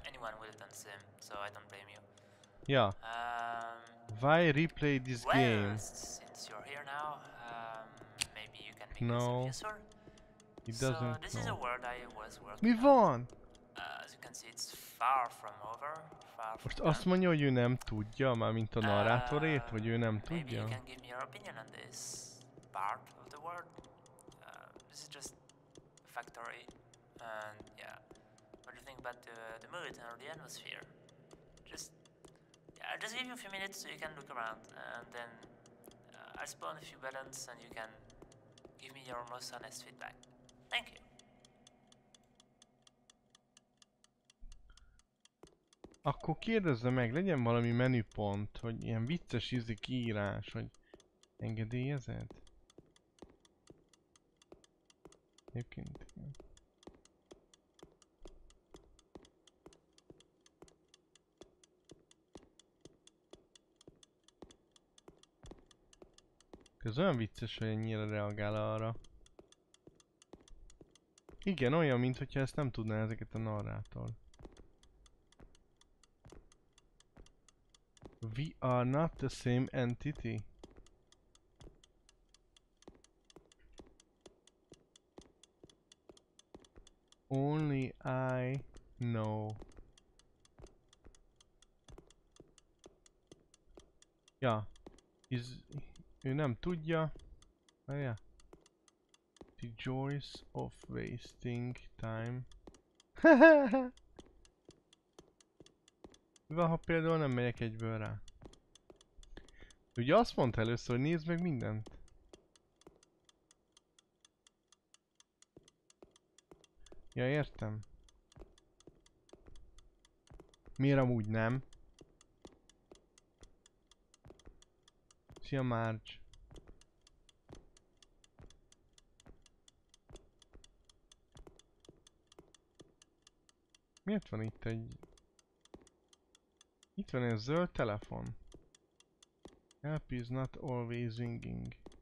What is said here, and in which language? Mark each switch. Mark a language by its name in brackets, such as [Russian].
[English] Anyone would have done the same, so I don't blame you. Yeah. Why replay this game? Since you're here now, maybe you can make yourself useful. So this is a world I was working. [Hungarian] Mi van? [English] As you can see, it's far from over. [Hungarian] Most azt mondja, hogy ő nem tudja, már mint a narrátorét, vagy ő nem tudja. [English] Maybe you can give me your opinion on this part of the world. This is just a factory, and yeah. What do you think about the mood and the atmosphere? I'll just give you a few minutes so you can look around, and then I'll spawn a few buttons, and you can give me your most honest feedback. Thank you. [Hungarian] Akkor kérdezze meg, legyen valami menüpont, hogy ilyen vicces ízű kiírás, hogy engedélyezed? Egyébként igen. Ez olyan vicces, hogy ennyire reagál arra. Igen, olyan, mintha ezt nem tudná ezeket a narrátor. [English] We are not the same entity. Only I know. [Hungarian] Ja. Ő nem tudja. Várja. [English] The joys of wasting time. [Hungarian] Mi van, ha például nem megyek egyből rá? Ugye azt mondta először, hogy nézd meg mindent. Ja, értem. Miért amúgy nem? Szia, Marge. Miért van itt egy... Itt van egy zöld telefon. [English] Help is not always ringing.